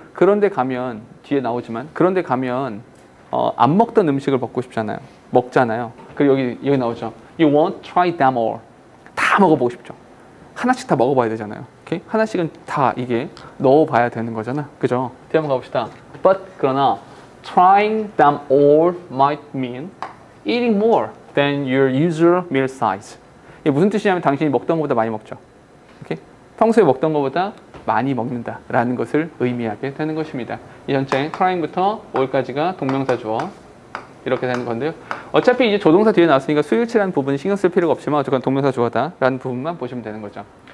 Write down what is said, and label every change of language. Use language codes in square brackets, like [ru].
[ko] 그런데 가면 뒤에 나오지만 그런데 가면 안 먹던 음식을 먹고 싶잖아요. 먹잖아요. 그리고 여기 나오죠. [en] You want try them all. [ko] 다 먹어보고 싶죠. 하나씩 다 먹어봐야 되잖아요. 오케이? 하나씩은 다 이게 넣어봐야 되는 거잖아. 그죠? 뒤에 한번 가봅시다. [en] But [ko] 그러나 [en] trying them all might mean eating more than your usual meal size. [ko] 이게 무슨 뜻이냐면 당신이 먹던 것보다 많이 먹죠. 오케이? 평소에 먹던 것보다 많이 먹는다라는 것을 의미하게 되는 것입니다. 이 전체 trying부터 all까지가 동명사 주어 이렇게 되는 건데요. 어차피 이제 조동사 뒤에 나왔으니까 수일치라는 부분이 신경 쓸 필요가 없지만 어쨌건 동명사 주어다라는 부분만 보시면 되는 거죠.